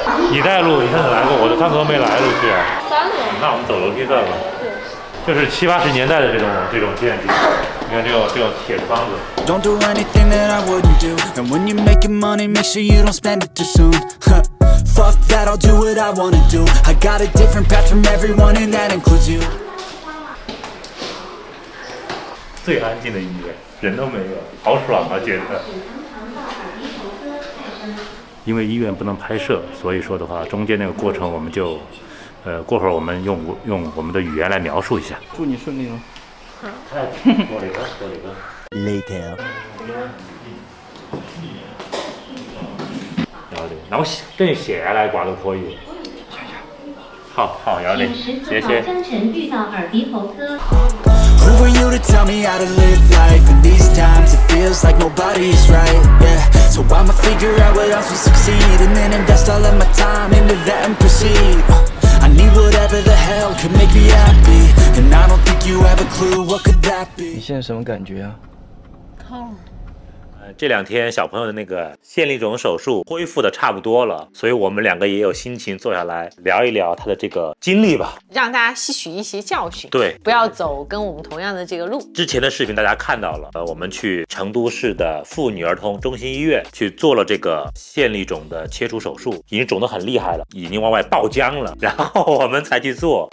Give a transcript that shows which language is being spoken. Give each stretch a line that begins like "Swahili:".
Chinese: 你带路，你上次来过，我上次都没来，是不是？三楼。那我们走楼梯算了。对。就是七八十年代的这种电梯，你看这种铁窗子。
English: Don't do anything that I wouldn't do, and when you're making money, make sure you don't spend it too soon. Fuck that, I'll do what I wanna do. I got a different path from everyone, and that includes you.
Chinese: 最安静的音乐，人都没有，好爽啊，简直。因为医院不能拍摄，所以说的话中间那个过程我们就过会儿我们用我们的语言来描述一下。祝你顺利了。好，我理个 later 幺零，然后这血压来挂都可以。好幺零，谢谢。
English: Who are you to tell me how to live life? In these times, it feels like nobody's right. Yeah, so I'ma figure out what else will succeed, and then invest all of my time into that and proceed. I need whatever the hell can make me happy, and I don't think you have a clue what could that be.
Chinese: 你现在什么感觉啊？痛。这两天小朋友的那个线粒肿手术恢复的差不多了，所以我们两个也有心情坐下来聊一聊他的这个经历吧，让大家吸取一些教训，对，不要走跟我们同样的这个路。之前的视频大家看到了，我们去成都市的妇女儿童中心医院去做了这个线粒肿的切除手术，已经肿得很厉害了，已经往外爆浆了，然后我们才去做。